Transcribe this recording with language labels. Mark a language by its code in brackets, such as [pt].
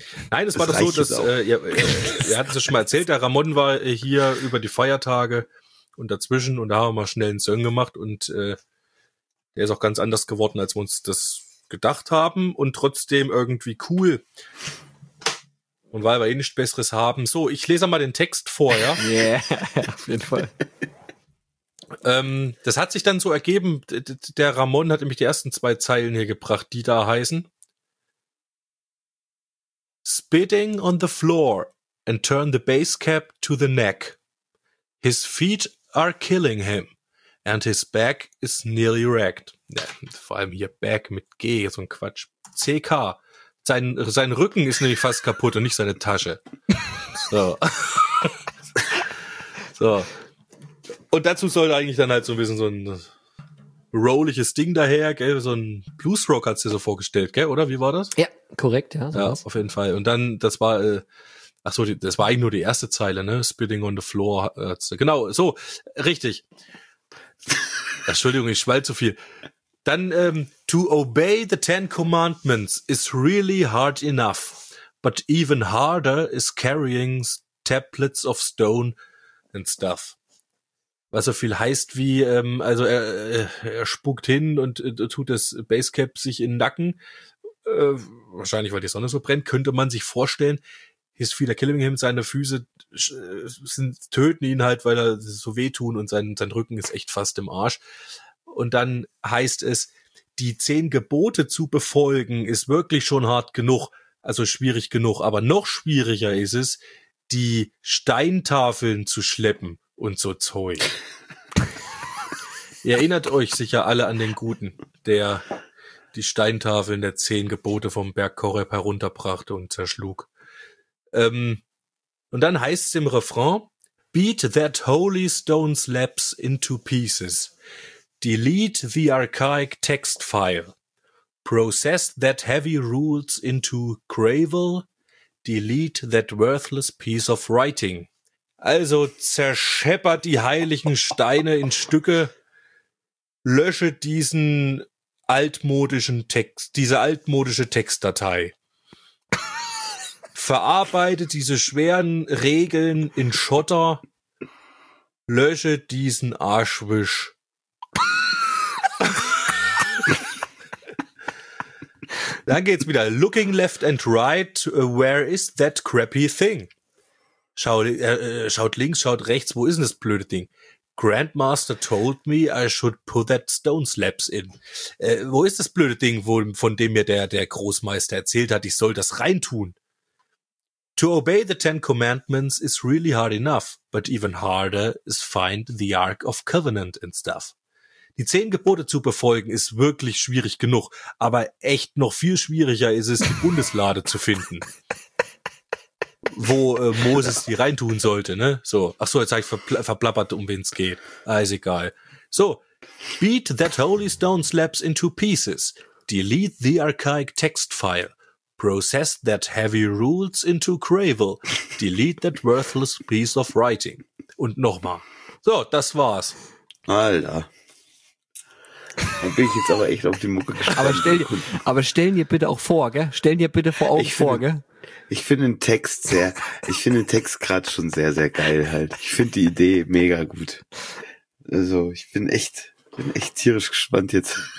[de] Nein, es war doch so, dass wir hatten es ja schon mal erzählt, der Ramon war hier über die Feiertage und dazwischen und da haben wir mal schnell einen Song gemacht und der ist auch ganz anders geworden, als wir uns das gedacht haben und trotzdem irgendwie cool. Und weil wir eh nichts Besseres haben. So, ich lese mal den Text vor, ja? Ja, auf jeden Fall. Das hat sich dann so ergeben, der Ramon hat nämlich die ersten zwei Zeilen hier gebracht, die da heißen. [en] Spitting on the floor and turn the base cap to the neck. His feet are killing him and his back is nearly wrecked. [de] Ja, vor allem hier back mit G, so ein Quatsch. CK. Sein Rücken ist nämlich fast kaputt und nicht seine Tasche. So. So. Und dazu soll eigentlich dann halt so ein bisschen so ein rolliges Ding daher, gell, so ein Bluesrock hat's dir so vorgestellt, gell, oder? Wie war das? Ja, korrekt, ja. So ja, was. Auf jeden Fall. Und dann, das war, das war eigentlich nur die erste Zeile, ne? [en] Spitting on the floor. [de] Genau, so, richtig. Entschuldigung, ich schwall zu viel. [en] Dann, to obey the Ten Commandments is really hard enough. but even harder is carrying tablets of stone and stuff. [de] Was so viel heißt wie, also er spuckt hin und tut das Basecap sich in den Nacken. Wahrscheinlich, weil die Sonne so brennt, könnte man sich vorstellen, ist viel der [en] Killing Him, [de] seine Füße sind, töten ihn halt, weil er so wehtun und sein Rücken ist echt fast im Arsch. Und dann heißt es, die 10 Gebote zu befolgen, ist wirklich schon hart genug, also schwierig genug. Aber noch schwieriger ist es, die Steintafeln zu schleppen und so Zeug. Ihr erinnert euch sicher alle an den Guten, der die Steintafeln der 10 Gebote vom Berg Koreb herunterbrachte und zerschlug. Und dann heißt es im Refrain, [en] beat that holy stone slabs into pieces. Delete the archaic text file. Process that heavy rules into gravel. Delete that worthless piece of writing. [de] Also zerscheppert die heiligen Steine in Stücke. Löschet diesen altmodischen Text, diese altmodische Textdatei. Verarbeitet diese schweren Regeln in Schotter. Lösche diesen Arschwisch. Dann geht's wieder. [en] Looking left and right, where is that crappy thing? [de] Schaut links, schaut rechts, wo ist denn das blöde Ding? [en] Grandmaster told me I should put that stone slabs in. [de] Wo ist das blöde Ding, von dem mir der Großmeister erzählt hat, ich soll das reintun? [en] To obey the 10 commandments is really hard enough, but even harder is find the Ark of Covenant and stuff. [de] Die 10 Gebote zu befolgen ist wirklich schwierig genug, aber echt noch viel schwieriger ist es, die Bundeslade zu finden. Wo Moses die reintun sollte, ne? So. Ach so, jetzt habe ich verplappert, um wen es geht. Ist egal. So. [en] Beat that holy stone slabs into pieces. Delete the archaic text file. Process that heavy rules into gravel. Delete that worthless piece of writing. [de] Und nochmal. So, das war's. Alter. Da bin ich jetzt aber echt auf die Mucke gespannt. Aber stell dir bitte auch vor, gell? Stell dir bitte vor Augen vor, gell? Ich finde den Text gerade schon sehr, sehr geil halt. Ich finde die Idee mega gut. Also, ich bin echt tierisch gespannt jetzt.